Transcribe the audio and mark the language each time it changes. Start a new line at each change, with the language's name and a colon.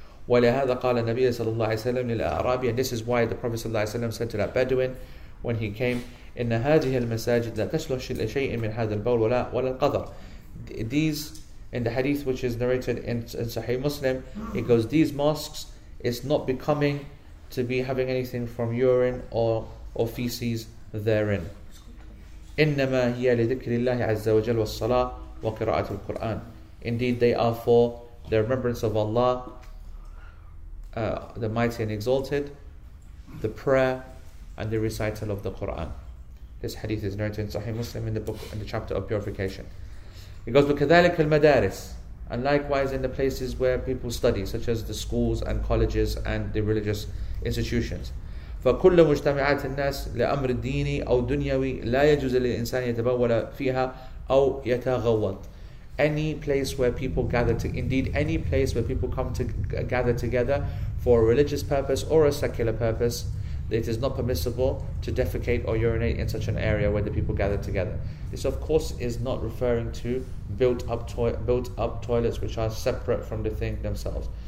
Arabic: وَلِهَذَا قَالَ النَّبِيَ صَلَى اللَّهِ وَسَلَّمْ لِلْأَعْرَابِ.
English: And this is why the Prophet صلى الله عليه وسلم said to that Bedouin when he came,
Arabic: إِنَّ هَذِهِ الْمَسَاجِدْ لَا تَسْلُحْشِ لَشَيْءٍ مِنْ هَذَا الْبَوْلُ وَلَا الْقَذَرِ.
English: These, in the hadith which is narrated in Sahih Muslim, it goes, these mosques, it's not becoming to be having anything from urine or feces therein.
Arabic: إنما هي لذكر الله عز وجل والصلاة وقراءة القرآن.
English: Indeed, they are for the remembrance of Allah, the Mighty and Exalted, the prayer, and the recital of the Quran. This hadith is narrated in Sahih Muslim in the book in the chapter of purification. It goes
Arabic: وكذلك المدارس,
English: and likewise in the places where people study, such as the schools and colleges and the religious institutions.
Arabic: فكل مجتمعات الناس لأمر ديني أو دنيوي لا يجوز للإنسان يتبول فيها أو يتغوط.
English: Any place where people gather to, indeed any place where people come to gather together for a religious purpose or a secular purpose, it is not permissible to defecate or urinate in such an area where the people gather together. This, of course, is not referring to built up toilets which are separate from the thing themselves.